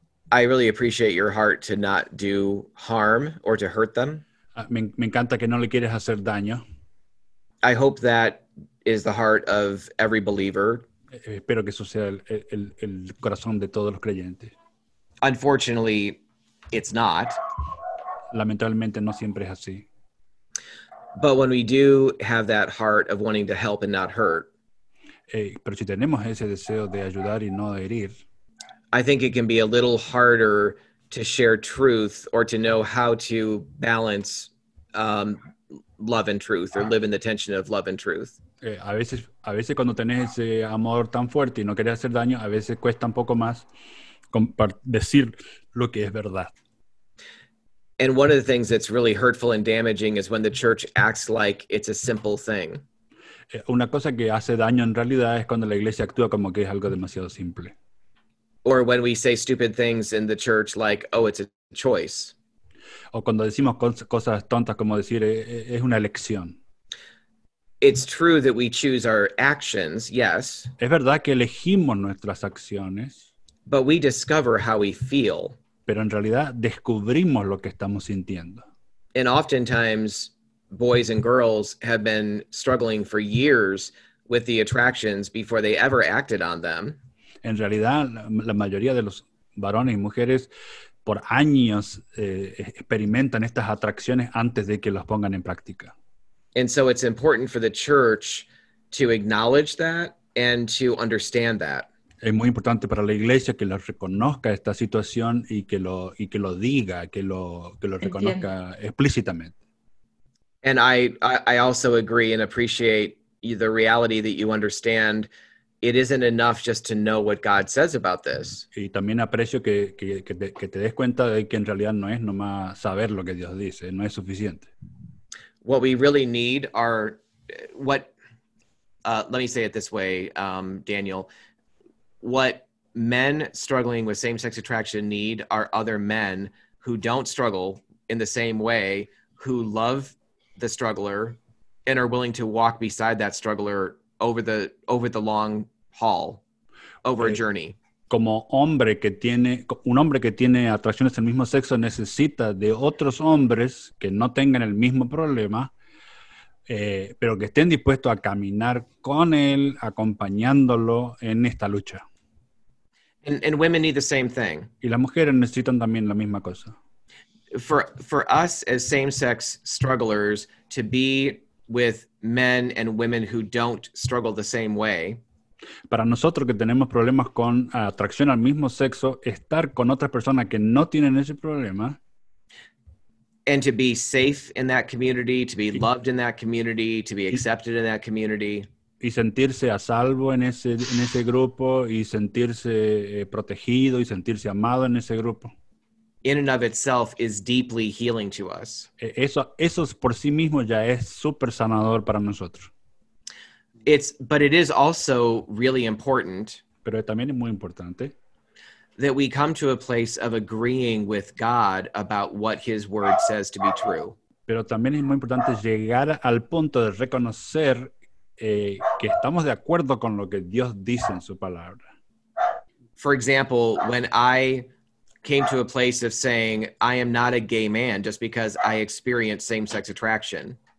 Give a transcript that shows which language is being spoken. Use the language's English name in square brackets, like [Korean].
[English] I really appreciate your heart to not do harm or to hurt them. [Spanish] Me encanta que no le quieres hacer daño. [English] I hope that is the heart of every believer. [Spanish] Espero que eso sea el corazón de todos los creyentes. [English] Unfortunately, it's not. [Spanish] Lamentablemente no siempre es así. [English] But when we do have that heart of wanting to help and not hurt. [Spanish] Pero si tenemos ese deseo de ayudar y no de herir. [English] I think it can be a little harder to share truth, or to know how to balance love and truth, or live in the tension of love and truth. [Spanish] A veces cuando tenés ese amor tan fuerte y no querés hacer daño, a veces cuesta un poco más decir lo que es verdad. [English] And one of the things that's really hurtful and damaging is when the church acts like it's a simple thing. [Spanish] Una cosa que hace daño en realidad es cuando la iglesia actúa como que es algo demasiado simple. [English] Or when we say stupid things in the church like, oh, it's a choice. [Spanish] O cuando decimos cosas tontas como decir, es una elección. [English] It's true that we choose our actions, yes. [Spanish] Es verdad que elegimos nuestras acciones. [English] But we discover how we feel. [Spanish] Pero en realidad descubrimos lo que estamos sintiendo. [English] And oftentimes, boys and girls have been struggling for years with the attractions before they ever acted on them. [Spanish] En realidad, la mayoría de los varones y mujeres por años experimentan estas atracciones antes de que las pongan en práctica. [English] And so it's important for the church to acknowledge that and to understand that. [Spanish] Es muy importante para la iglesia que lo reconozca esta situación y que lo diga, que lo reconozca explícitamente. [English] And I also agree and appreciate the reality that you understand it isn't enough just to know what God says about this. [Spanish] Y también aprecio que te des cuenta de que en realidad no es nomás saber lo que Dios dice, no es suficiente. [English] What we really need are, let me say it this way, Daniel, what men struggling with same-sex attraction need are other men who don't struggle in the same way, who love the struggler and are willing to walk beside that struggler over the long haul, over a journey. [Spanish] Como hombre que tiene, un hombre que tiene atracciones del mismo sexo necesita de otros hombres que no tengan el mismo problema, pero que estén dispuestos a caminar con él, acompañándolo en esta lucha. [English] And women need the same thing. [Spanish] Y las mujeres necesitan también la misma cosa. [English] For us as same-sex strugglers to be with men and women who don't struggle the same way. [Spanish] Para nosotros que tenemos problemas con atracción al mismo sexo, estar con otras personas que no tienen ese problema. [English] And to be safe in that community, to be loved in that community, to be accepted in that community. [Spanish] Y sentirse a salvo en ese grupo, y sentirse protegido, y sentirse amado en ese grupo. [English] In and of itself is deeply healing to us. [Spanish] Eso por sí mismo ya es súper sanador para nosotros. [English] It's, but it is also really important. [Spanish] Pero también es muy importante. [English] that we come to a place of agreeing with God about what his word says to be true. [Spanish] Pero también es muy importante llegar al punto de reconocer que estamos de acuerdo con lo que Dios dice en su palabra. [English] For example, when I came to a place of saying, I am not a gay man just because I experience same-sex attraction.